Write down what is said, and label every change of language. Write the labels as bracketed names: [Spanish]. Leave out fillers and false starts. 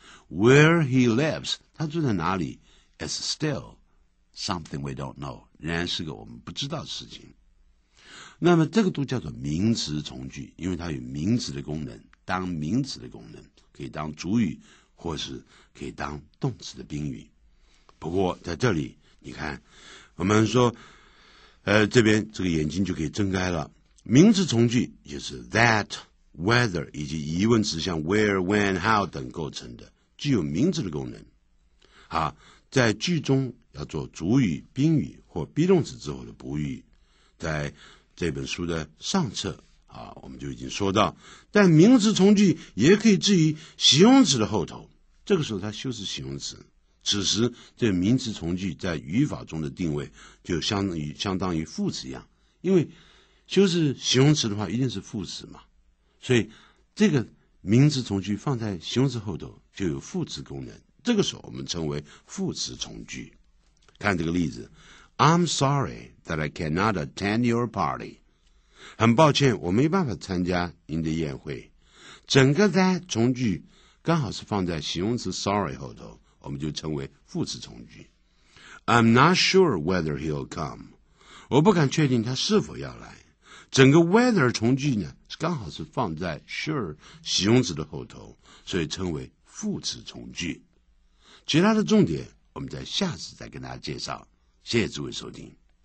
[English] Where he lives, [Chinese] 他住在哪里 [English] is still something we don't know. [Chinese] 仍然是个我们不知道的事情。那么这个都叫做名词从句，因为它有名词的功能，当名词的功能，可以当主语或是可以当动词的宾语。不过在这里你看我们说这边这个眼睛就可以睁开了。名词从句也是 that, whether 以及疑问词像 where, when, how 等构成的，具有名词的功能。好，在句中要做主语、宾语或 be 动词之后的补语，在这本书的上册啊，我们就已经说到。但名词从句也可以置于形容词的后头，这个时候它修饰形容词。此时这名词从句在语法中的定位就相当于副词一样，因为修饰形容词的话一定是副词嘛，所以这个名词从句放在形容词后头就有副词功能，这个时候我们称为副词从句。看这个例子， [English] I'm sorry that I cannot attend your party. [Chinese] 很抱歉我没办法参加您的宴会。整个 that 从句刚好是放在形容词 sorry 后头，我们就称为副词从句。 [English] I'm not sure whether he'll come. [Chinese] 我不敢确定他是否要来。整个 whether 从句呢刚好是放在 sure 形容词的后头，所以称为副词从句。其他的重点我们在下次再跟大家介绍。谢谢诸位收听。